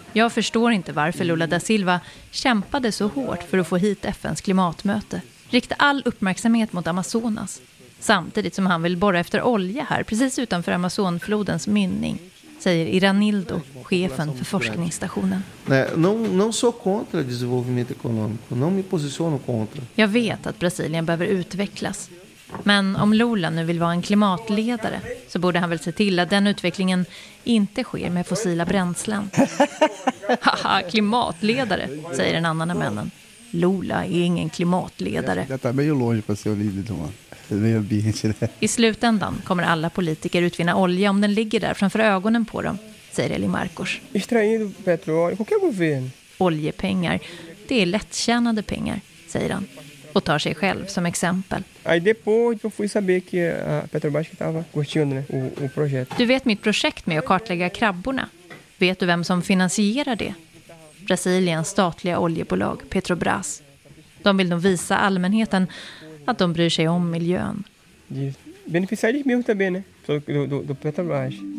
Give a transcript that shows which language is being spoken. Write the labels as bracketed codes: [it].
[sv] Jag förstår inte varför Lula da Silva kämpade så hårt för att få hit FNs klimatmöte. Riktade all uppmärksamhet mot Amazonas. Samtidigt som han vill borra efter olja här, precis utanför Amazonflodens mynning, säger Iranildo, chefen för forskningsstationen. [pt] Não sou contra desenvolvimento econômico, não me posiciono contra. [sv] Jag vet att Brasilien behöver utvecklas. Men om Lula nu vill vara en klimatledare så borde han väl se till att den utvecklingen inte sker med fossila bränslen. Haha, klimatledare, säger en annan av männen. Lula är ingen klimatledare. I slutändan kommer alla politiker utvinna olja om den ligger där framför ögonen på dem, säger Eli Marcos. Oljepengar, det är lättjänade pengar, säger han. Och tar sig själv som exempel. [pt] Aí depois eu fui saber que a Petrobras estava curtindo, né, o projeto. [sv] Du vet mitt projekt med att kartlägga krabborna. Vet du vem som finansierar det? Brasiliens statliga oljebolag Petrobras. De vill nog visa allmänheten att de bryr sig om miljön. [pt] Beneficiários mesmo também, né? Do Petrobras.